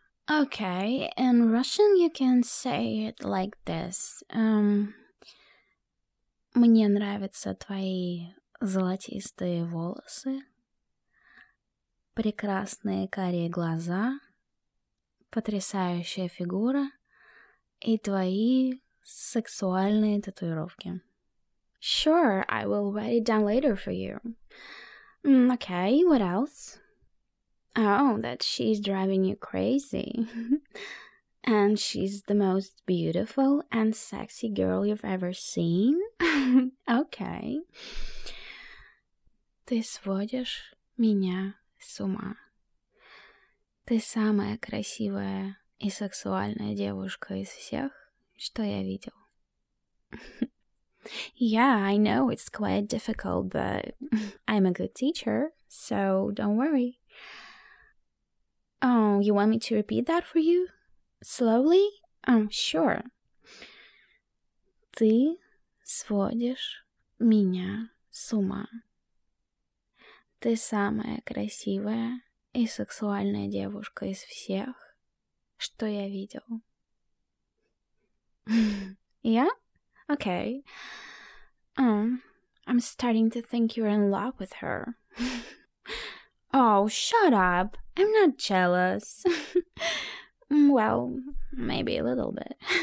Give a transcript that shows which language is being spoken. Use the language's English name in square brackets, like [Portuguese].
[English] Okay, in Russian you can say it like this. [Russian] Мне нравятся твои золотистые волосы, прекрасные карие глаза, потрясающая фигура и твои сексуальные татуировки. [English] Sure, I will write it down later for you. Okay, what else? Oh, that she's driving you crazy. And she's the most beautiful and sexy girl you've ever seen? Okay. [Russian] Ты сводишь меня с ума. Ты самая красивая и сексуальная девушка из всех, что я видел. [English] Yeah, I know it's quite difficult, but I'm a good teacher, so don't worry. Oh, you want me to repeat that for you? Slowly? Sure. [Russian] Ты сводишь меня с ума. Ты самая красивая и сексуальная девушка из всех, что я видел. [English] Yeah? Okay. I'm starting to think you're in love with her. Oh, shut up. I'm not jealous. Well, maybe a little bit.